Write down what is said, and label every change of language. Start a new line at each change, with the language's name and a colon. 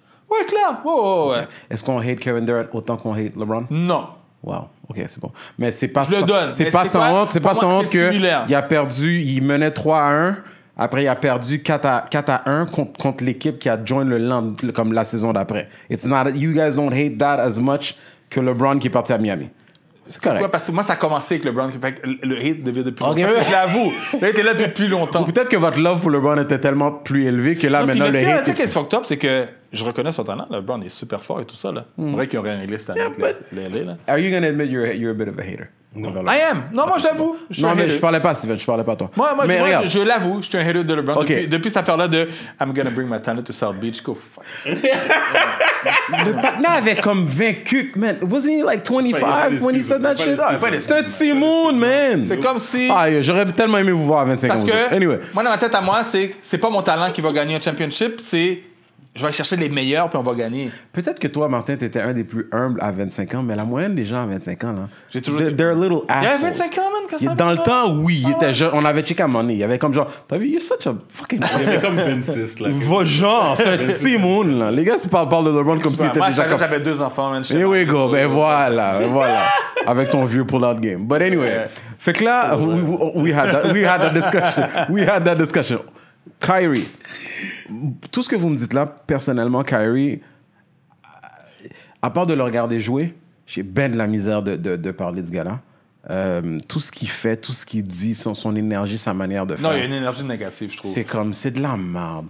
French: Ouais, clair. Ouais. Okay. Est-ce qu'on hate Kevin Durant autant qu'on hate LeBron? Non. Wow. OK, c'est bon. Mais c'est pas. C'est pas sans honte qu'il a perdu, il menait 3-1. Après, il a perdu 4-1 contre l'équipe qui a joined le Lande comme la saison d'après.
English: It's not, you guys don't hate that as much
French: que LeBron qui est parti à Miami. C'est correct. Quoi, parce que moi, ça a commencé avec LeBron. Fait que le hate devait depuis longtemps. Je l'avoue. Il était là depuis longtemps. Ou peut-être que votre love pour LeBron était tellement plus élevé que là, non, maintenant, le hate. Tu sais, qu'est-ce qui est fucked up, c'est que je reconnais son talent. LeBron est super fort et tout ça. C'est vrai qu'il aurait réglé cette année.
English: Are you going to admit you're a bit of a hater?
French: Non.
English: I am.
French: Non, moi, j'avoue. Non, mais je parlais pas, Steven. Je parlais pas à toi. Moi, je l'avoue. Je suis un hater de LeBron. Okay. Depuis cette affaire-là de «
English: I'm gonna bring my talent to South Beach. » Go fuck.
French: Le patin avait comme vaincu.
English: Man, wasn't he like 25 when he said that shit?
French: C'est un petit monde, man. C'est comme si... Ah, j'aurais tellement aimé vous voir à 25 ans. Parce que, anyway. Moi, dans ma tête à moi, c'est pas mon talent qui va gagner un championship. C'est... Je vais chercher les meilleurs, puis on va gagner. Peut-être que toi, Martin, t'étais un des plus humbles à 25 ans, mais la moyenne des gens à 25 ans, là... J'ai toujours été...
English: They're little assholes.
French: Il y avait 25 ans, man, quand ça... Dans le temps, oui, il était jeune. On avait checké à money. Il y avait comme genre... T'as vu,
English: you're such a fucking...
French: Il y avait comme 26, là. Va genre, c'est un Simon, là. Les gars, ils parlent de LeBron comme s'il était déjà... Moi, j'avais deux enfants, man.
English: Here we go,
French: ben voilà, voilà. Avec ton vieux pull-out game.
English: But anyway,
French: fait que là,
English: we had that discussion.
French: Kyrie, tout ce que vous me dites là, personnellement, Kyrie, à part de le regarder jouer, j'ai ben de la misère de parler de ce gars-là. Tout ce qu'il fait, tout ce qu'il dit, son énergie, sa manière de faire. Non, il y a une énergie négative, je trouve. C'est comme, c'est de la merde.